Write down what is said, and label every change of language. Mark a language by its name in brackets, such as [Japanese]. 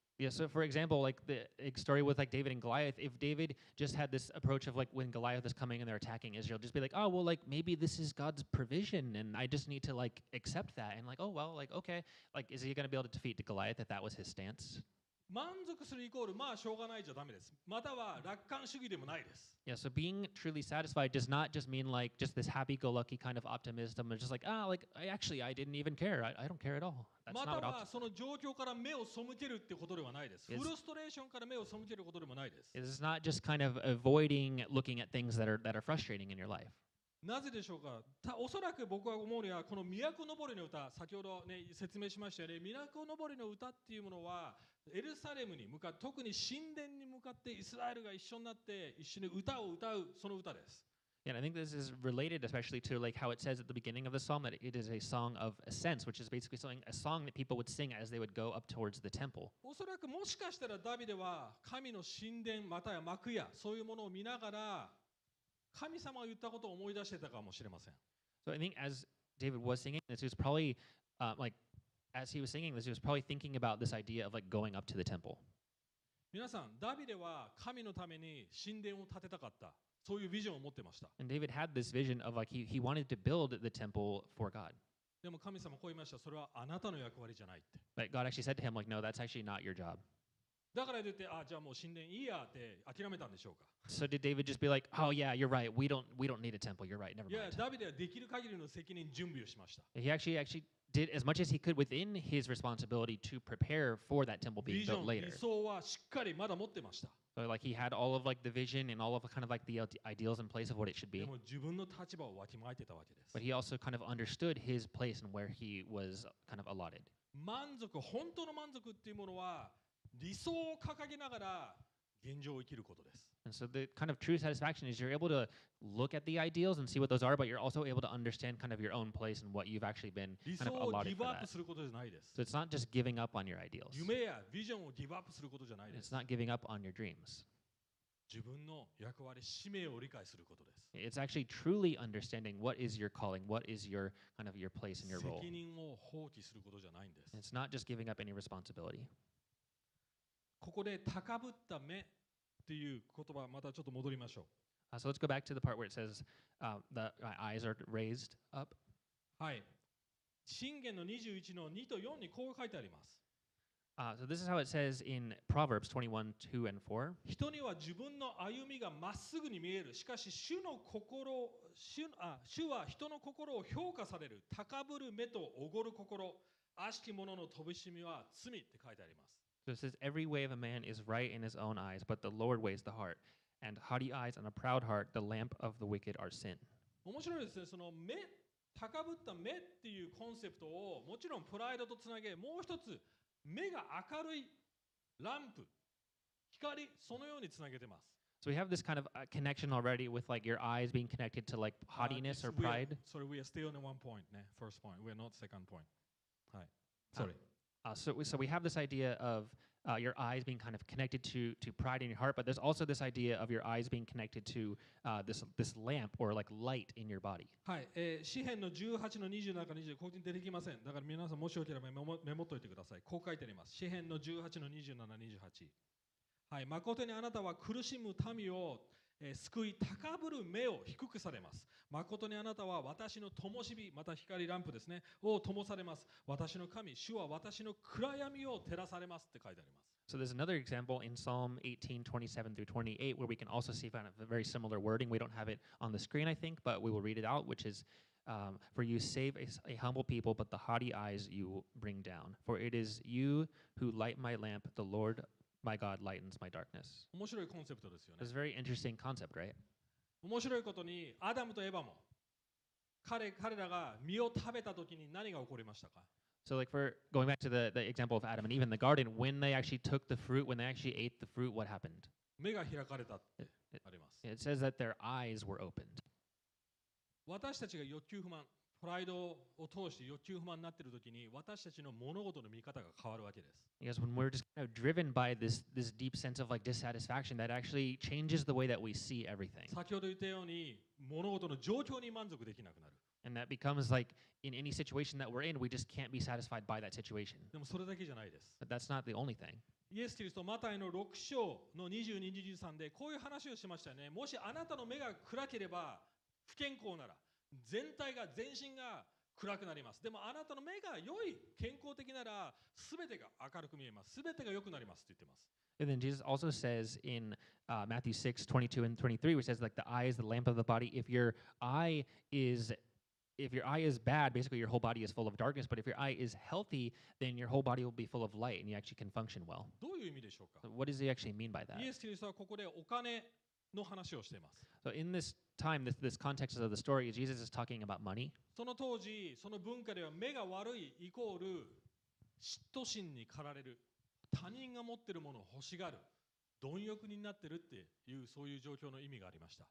[English] Yeah, so for example, like the story with like David and Goliath, if David just had this approach of like when Goliath is coming and they're attacking Israel, just be like, oh, well, like maybe this is God's provision and I just need to like accept that and like, oh, well, like, okay, like is he going to be able to defeat Goliath if that was his stance? [Japanese] 満足するイコールまあしょうがないじゃダメです。または楽観主義でもないです。 [English] Yeah, so being truly satisfied does not just mean like just this happy-go-lucky kind of optimism. It's just like, ah, like actually, I didn't even care. I don't care at all. That's not what [Japanese] その状況から目を背けるってことではないです。フルストレーションから目を背けることでもないです。 [English] It's not just kind of avoiding looking at things that are frustrating in your life. [Japanese] なぜでしょうか。おそらく僕は思うにはこの都のぼりの歌、先ほど、ね、説明しましたよね。都のぼりの歌っていうものはエルサレムに向かって、特に神殿に向かってイスラエルが一緒になって一緒に歌を歌う、その歌です。 [English] Yeah, I think this is related especially to like how it says at the beginning of the psalm that it is a song of ascents, which is basically something, a song that people would sing as they would go up towards the temple. [Japanese] おそらくもしかしたらダビデは神の神殿または幕屋、そういうものを見ながら神様が言ったことを思い出してたかもしれません。 [English] So I think as David was singing this, he was probably, like, as he was singing this, he was probably thinking about this idea of like going up to the temple. [Japanese] 皆さん、ダビデは神のために神殿を建てたかった。そういうビジョンを持ってました。 [English] And David had this vision of like he wanted to build the temple for God. [Japanese] でも神様こう言いました。それはあなたの役割じゃないって。 [English] But God actually said to him like, no, that's actually not your job. [Japanese] だから言って、あ、じゃあもう神殿いいやって諦めたんでしょうか。 [English] So did David just be like, oh yeah, you're right, we don't need a temple, you're right, never mind. [Japanese] いや、ダビデはできる限りの責任準備をしました。 [English] He actually did as much as he could within his responsibility to prepare for that temple being built later. [Japanese] 理想はしっかりまだ持ってました。 [English] So like he had all of like the vision and all of kind of like the ideals in place of what it should be. [Japanese] でも自分の立場をわきまえてたわけです。 [English] But he also kind of understood his place and where he was kind of allotted. [Japanese] 満足、本当の満足っていうものは理想を掲げながら現状を生きることです。 [English] And so the kind of true satisfaction is you're able to look at the ideals and see what those are, but you're also able to understand kind of your own place and what you've actually been kind of allotted for that. [Japanese] 理想をギブアップすることじゃないです。 [English] So it's not just giving up on your ideals. [Japanese] 夢やビジョンをギブアップすることじゃないです。 [English] It's not giving up on your dreams. [Japanese] 自分の役割、使命を理解することです。 [English] It's actually truly understanding what is your calling, what is your kind of your place and your role. [Japanese] 責任を放棄することじゃないんです。 [English] It's not just giving up any responsibility. [Japanese] ここで高ぶった目っていう言葉またちょっと戻りましょう。 [English] So let's go back to the part where it says that my eyes are raised up. [Japanese] はい。箴言の21の2と4にこう書いてあります。 [English] So this is how it says in Proverbs 21, 2 and 4. [Japanese] 人には自分の歩みがまっすぐに見える。しかし主の心、主は人の心を評価される。高ぶる目とおごる心、悪しき者の飛びしみは罪って書いてあります。 [English] So it says, every way of a man is right in his own eyes, but the Lord weighs the heart. And haughty eyes and a proud heart, the lamp of the wicked are sin. [Japanese] 面白いですね。その目、高ぶった目っていうコンセプトをもちろんプライドとつなげ、もう一つ、目が明るいランプ、光、そのようにつなげてます。 [English] So we have this kind of connection already with like your eyes being connected to like haughtiness or pride. Sorry, we are still on one point, ne? First point. We are not second point. Hi. Sorry. So we have this idea of your eyes being kind of connected to pride in your heart, but there's also this idea of your eyes being connected to this lamp or like light in your body. [Japanese] はい、詩篇の18の20の中に20、ここに出てきません。だから皆さんもしよければメモっといてください。こう書いてあります。詩篇の18の27、28。はい、誠にあなたは苦しむ民を救い高ぶる目を低くされます。誠にあなたは私の灯火、また光ランプですね、を灯されます。私の神、主は私の暗闇を照らされますって書いてあります。 [English] So there's another example in Psalm 18, 27 through 28, where we can also see kind of a very similar wording. We don't have it on the screen, I think, but we will read it out, which is, for you save a humble people, but the haughty eyes you bring down. For it is you who light my lamp, the Lord. My God lightens my darkness. [Japanese] 面白いコンセプトですよね。 [English] It's a very interesting concept, right? [Japanese] 面白いことに、アダムとエバも彼らが実を食べた時に何が起こりましたか? [English] So like for going back to the example of Adam and Eve in the garden, when they actually took the fruit, when they actually ate the fruit, what happened? [Japanese] 目が開かれたってあります。 [English] It says that their eyes were opened. [Japanese] 私たちが欲求不満、プライドを通して欲求不満になっている時に私たちの物事の見方が変わるわけです。 [English] Yes, when we're just kind of driven by this deep sense of like dissatisfaction, that actually changes the way that we see everything. [Japanese] 先ほど言ったように物事の状況に満足できなくなる。 [English] And that becomes like in any situation that we're in, we just can't be satisfied by that situation. [Japanese] でもそれだけじゃないです。 [English] But that's not the only thing. [Japanese] イエス・キリスト、マタイの6章の22、23でこういう話をしましたね。もしあなたの目が暗ければ不健康なら。全体が全身が暗くなります。でもあなたの目が良い健康的なら全てが明るく見えます。全てが良くなりますと言ってます。 [English] And then Jesus also says in Matthew 6, 22 and 23, which says like the eye is the lamp of the body. If your eye is bad, basically your whole body is full of darkness. But if your eye is healthy, then your whole body will be full of light and you actually can function well. [Japanese] どういう意味でしょうか? [English] So what does he actually mean by that? [Japanese] イエス・キリストはここでお金の話をしています。 [English] So in this time, this context of the story, Jesus is talking about money. [Japanese] その当時、その文化では目が悪いイコール嫉妬心に駆られる、他人が持っているものを欲しがる、貪欲になっているっていうそういう状況の意味がありました。